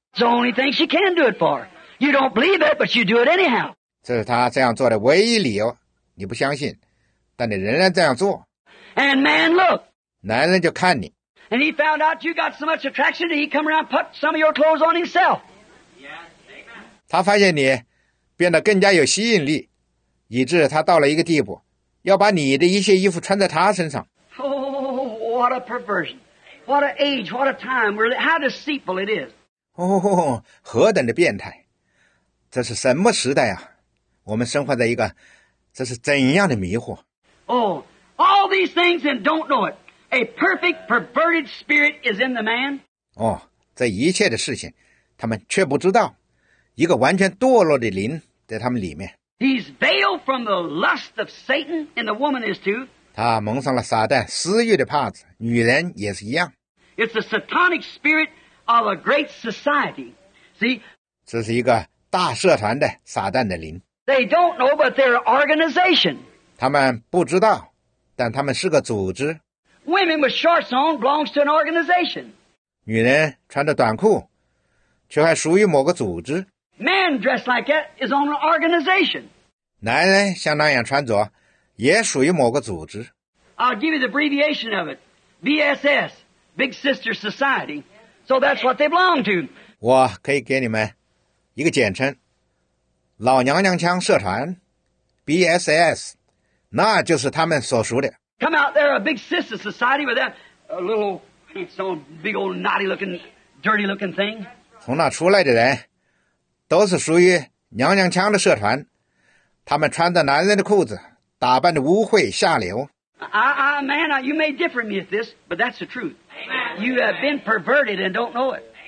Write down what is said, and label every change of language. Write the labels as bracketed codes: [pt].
[en] It's the only thing she can do it for. You don't believe it, but you do it anyhow. [zh] 这是他这样做的唯一理由。你不相信，但你仍然这样做。 [en] And man, look. [zh] 男人就看你。 [en] And he found out you got so much attraction that he come around put some of your clothes on himself. Yeah. [zh] 他发现你变得更加有吸引力。以致他到了一个地步，要把你的一些衣服穿在他身上。 [en] Oh, what a perversion! What an age! What a time! Really, how deceitful it is! [zh] Oh, 何等的变态！这是什么时代啊？我们生活在一个，这是怎样的迷惑 [en] ？Oh, all these things and don't know it. A perfect perverted spirit is in the man. [zh] 哦，这一切的事情，他们却不知道，一个完全堕落的灵在他们里面。 [en] He's veiled from the lust of Satan, and the woman is too. [zh] 他蒙上了撒旦私欲的帕子，女人也是一样。 [en] It's the satanic spirit of a great society. See, [zh] 这是一个大社团的撒旦的灵。 [en] They don't know, but they're an organization. [zh] 他们不知道，但他们是个组织。 [en] Women with shorts on belongs to an organization. [zh] 女人穿着短裤，却还属于某个组织。 [en] Man dressed like that is on an organization. [zh] 男人像那样穿着，也属于某个组织。 [en] I'll give you the abbreviation of it, BSS, Big Sister Society. So that's what they belong to. [zh] 我可以给你们一个简称，老娘娘腔社团 ，BSS， 那就是他们所属的。 [en] Come out there, a Big Sister Society with that a little some big old naughty looking, dirty looking thing. [zh] 从那出来的人。都是属于娘娘腔的社团，他们穿着男人的裤子，打扮的污秽下流。 [en] Man, you may differ from me at this, but that's the truth. You have been perverted and don't know it.